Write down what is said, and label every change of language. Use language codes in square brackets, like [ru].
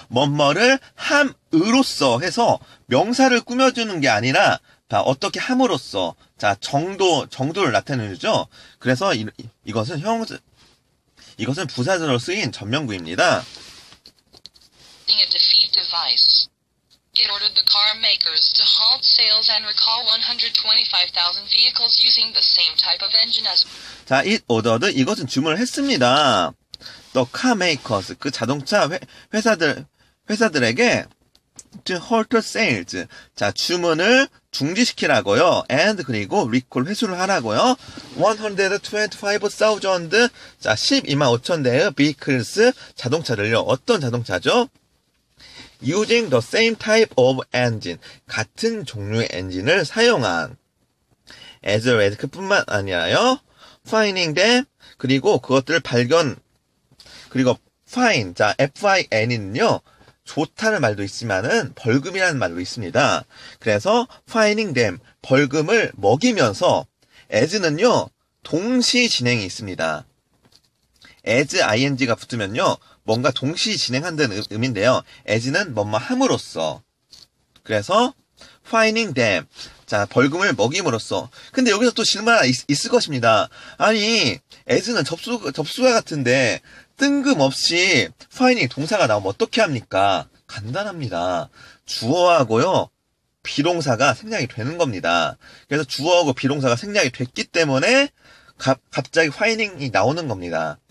[ko] 뭐뭐를 함으로써 해서 명사를 꾸며주는 게 아니라 자, 어떻게 함으로써 자, 정도를 나타내죠. 그래서 이것은 이것은 부사절로 쓰인 전명구입니다. [en] Using a defeat device. It ordered the car makers to halt sales and recall 125,000 vehicles using the same type of engine as [ko] 자, [en] it ordered, [ko] 이것은 주문을 했습니다. [en] The car makers, [ko] 그 자동차 회사들에게 [en] to halt sales. [ko] 자, 주문을 중지시키라고요. And, 그리고 recall 회수를 하라고요. 125,000, 자, 125,000대의 vehicles, 자동차를요. 어떤 자동차죠? [en] Using the same type of engine, [ko] 같은 종류의 엔진을 사용한. [en] As a risk [ko] 뿐만 아니라요. [en] Finding them, [ko] 그리고 그것들을 발견, 그리고 fine, 자, fine은요, 좋다는 말도 있지만은 벌금이라는 말도 있습니다. 그래서 [en] finding them, [ko] 벌금을 먹이면서 as는요, 동시 진행이 있습니다. as, ing가 붙으면요, 뭔가 동시 진행한다는 의미인데요. as는 뭐뭐 함으로써. 그래서 [en] finding them. [ko] 자, 벌금을 먹임으로써. 근데 여기서 또 질문 하나 있을 것입니다. 아니, as는 접수가 같은데 뜬금없이 finding 동사가 나오면 어떻게 합니까? 간단합니다. 주어하고요. 비동사가 생략이 되는 겁니다. 그래서 주어하고 비동사가 생략이 됐기 때문에 갑자기 finding이 나오는 겁니다.